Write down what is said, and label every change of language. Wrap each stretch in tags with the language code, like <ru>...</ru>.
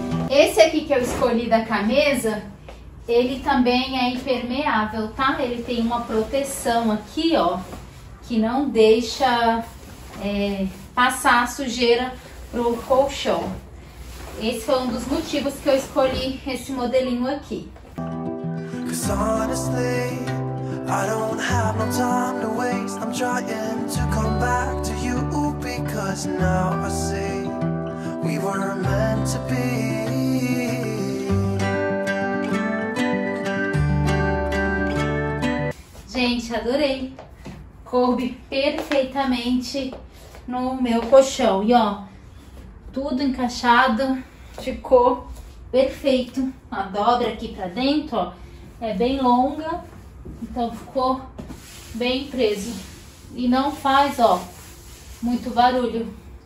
<pt>Esse aqui que eu escolhi da camisa, ele também é impermeável, tá? Ele tem uma proteção aqui, ó, que não deixa passar a sujeira pro colchão. Esse foi um dos motivos que eu escolhi esse modelinho aqui.</pt> <en>I don't have no time to waste. I'm trying to come back to you, because now I see we were meant to be.</en> <pt>Gente, adorei. Coube perfeitamente no meu colchão. E ó, tudo encaixado, ficou perfeito. A dobra aqui pra dentro, ó, é bem longa. Então ficou bem preso e não faz, ó, muito barulho.</pt>